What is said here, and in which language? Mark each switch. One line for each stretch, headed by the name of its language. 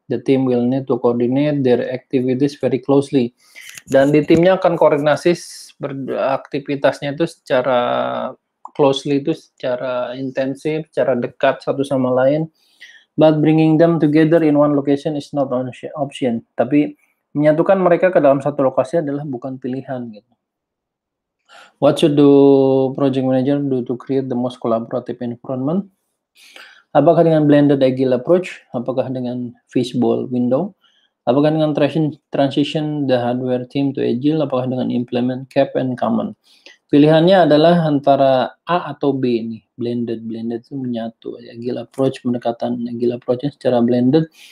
English: The team will need to coordinate their activities very closely.
Indonesian: Dan di timnya akan koordinasi aktivitasnya itu secara closely, itu secara intensif, secara dekat satu sama lain.
English: But bringing them together in one location is not an option.
Indonesian: Tapi menyatukan mereka ke dalam satu lokasi adalah bukan pilihan gitu.
English: What should the project manager do to create the most collaborative environment?
Indonesian: Apakah dengan
English: blended agile approach?
Indonesian: Apakah dengan
English: fishbowl window? Apakah dengan transition the hardware team to agile? Apakah dengan implement cap and common?
Indonesian: Pilihannya adalah antara A atau B ini, blended. Blended itu menyatu, agile approach, pendekatan agile approach secara blended.